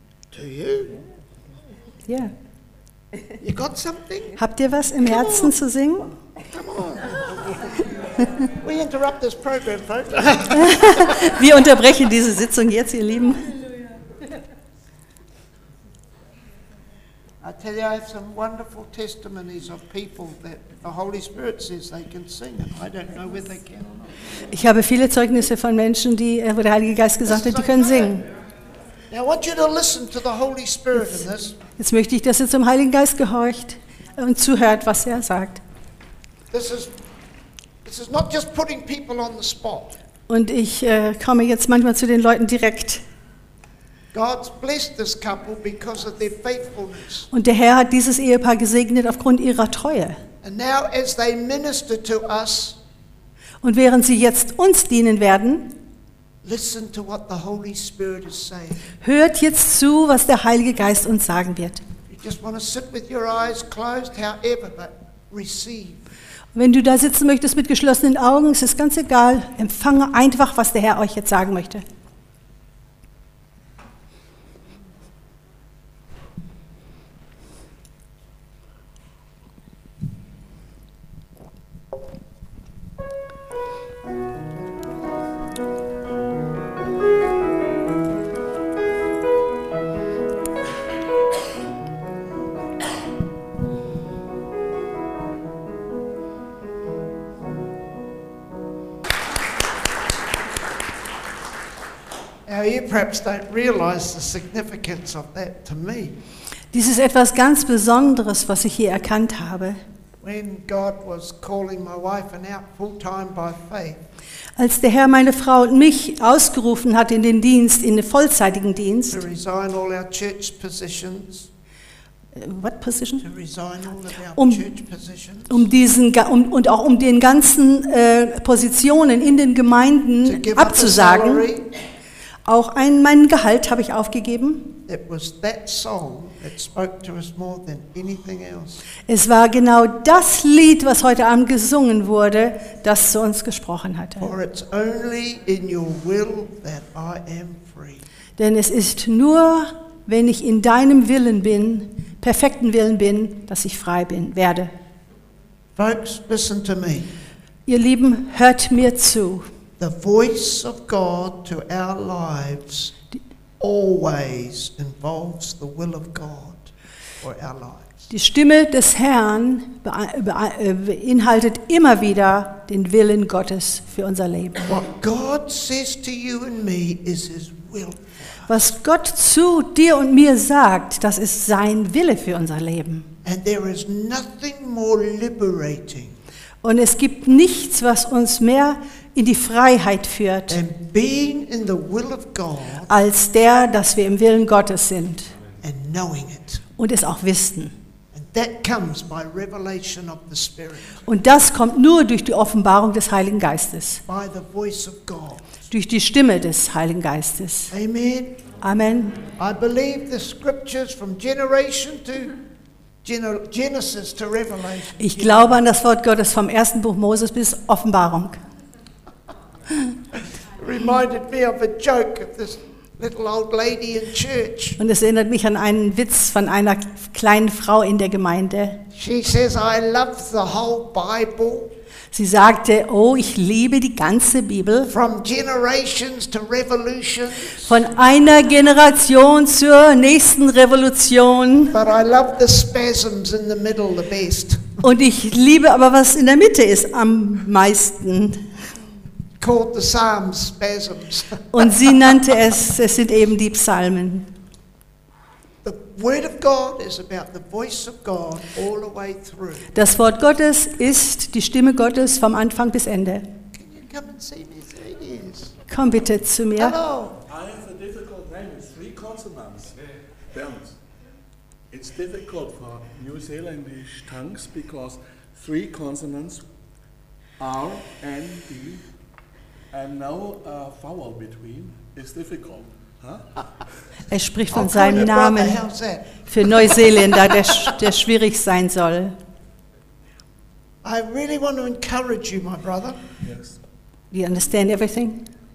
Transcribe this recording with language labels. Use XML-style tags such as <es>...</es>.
<en>Do you? Yeah. You got something?</en> <de>Habt ihr was im Herzen zu singen?</de> <en>Come on. We interrupt this program, folks.</en> <de>Wir unterbrechen diese Sitzung jetzt, ihr Lieben.</de> <en>I tell you, I have some wonderful testimonies of people that the Holy Spirit says they can sing, and I don't know whether they can or not.</en> <de>Ich habe viele Zeugnisse von Menschen, die wo der Heilige Geist gesagt hat, die können singen.</de> <en>Now I want you to listen to the Holy Spirit in this.</en> <de>Jetzt möchte ich, dass ihr zum Heiligen Geist gehorcht und zuhört, was er sagt.</de> <en>This is not just putting people on the spot.</en> <de>Und ich komme jetzt manchmal zu den Leuten direkt.</de> <en>God's blessed this couple because of their faithfulness.</en> <de>Und der Herr hat dieses Ehepaar gesegnet aufgrund ihrer Treue.</de> <en>And now as they minister to us,</en> <de>und während sie jetzt uns dienen werden,</de> <en>listen to what the Holy Spirit is saying.</en> <de>Hört jetzt zu, was der Heilige Geist uns sagen wird.</de> <en>You just want to sit with your eyes closed, however, but receive.</en> <de>Wenn du da sitzen möchtest mit geschlossenen Augen, ist es ganz egal. Empfange einfach, was der Herr euch jetzt sagen möchte.</de> <en>Now you perhaps don't realize the significance of that to me.</en> <de>Dies ist etwas ganz Besonderes, was ich hier erkannt habe.</de> <en>When God was calling my wife and out full time by faith.</en> <de>Als der Herr meine Frau und mich ausgerufen hat in den Dienst, in den vollzeitigen Dienst.</de> <en>To resign all our church positions. What position? To resign all of our church positions.</en> <de>Um den ganzen Positionen in den Gemeinden abzusagen. Auch mein Gehalt habe ich aufgegeben.</de> <en>It was that song that spoke to us more than anything else.</en> <de>Es war genau das Lied, was heute Abend gesungen wurde, das zu uns gesprochen hatte.</de> <en>For it's only in your will that I am free.</en> <de>Denn es ist nur, wenn ich in deinem Willen bin, perfekten Willen bin, dass ich frei bin, werde.</de> <en>Folks, listen to me.</en> <de>Ihr Lieben, hört mir zu.</de> <en>The voice of God to our lives always involves the will of God for our lives.</en> <de>Die Stimme des Herrn beinhaltet immer wieder den Willen Gottes für unser Leben.</de> <en>What God says to you and me is His will.</en> <de>Was Gott zu dir und mir sagt, das ist sein Wille für unser Leben.</de> <en>And there is nothing more liberating.</en> <de>Und es gibt nichts, was uns mehr in die Freiheit führt,</de> <en>and being in the will of God,</en> <de>als der, dass wir im Willen Gottes sind</de> <en>and knowing it.</en> <de>Und es auch wissen.</de> <en>And that comes by revelation of the Spirit.</en> <de>Und das kommt nur durch die Offenbarung des Heiligen Geistes,</de> <en>by the voice of God.</en> <de>Durch die Stimme des Heiligen Geistes. Amen. Amen.</de> <en>I believe the scriptures from generation to Genesis to Revelation.</en> <de>Ich glaube an das Wort Gottes vom ersten Buch Moses bis Offenbarung.</de> <en>Reminded me of a joke of this little old lady in church.</en> <de>Und es erinnert mich an einen Witz von einer kleinen Frau in der Gemeinde.</de> <en>She says, I love the whole Bible.</en> <de>Sie sagte, oh, ich liebe die ganze Bibel.</de> <en>From generations to revolutions.</en> <de>Von einer Generation zur nächsten Revolution.</de> <en>But I love the spasms in the middle the best.</en> <de>Und ich liebe aber, was in der Mitte ist, am meisten.</de> <en>Called the Psalms spasms.</en> <de>Und sie nannte es sind eben die Psalmen.</de> <en>The word of God is about the voice of God all the way through.</en> <de>Das Wort Gottes ist die Stimme Gottes vom Anfang bis Ende.</de> <en>Can you come and see me, ladies?</en> <de>Komm bitte zu mir.</de> <en>Hello. I have a difficult name. It's three consonants. Bernd. It's difficult for New Zealandish tongues because three consonants R, N, D. And now a vowel between is difficult.</en> <de>Er spricht von seinem Namen für Neuseeländer, der schwierig sein soll.</de> <en>I really want to encourage you, my brother. Yes. Do you understand everything?</en>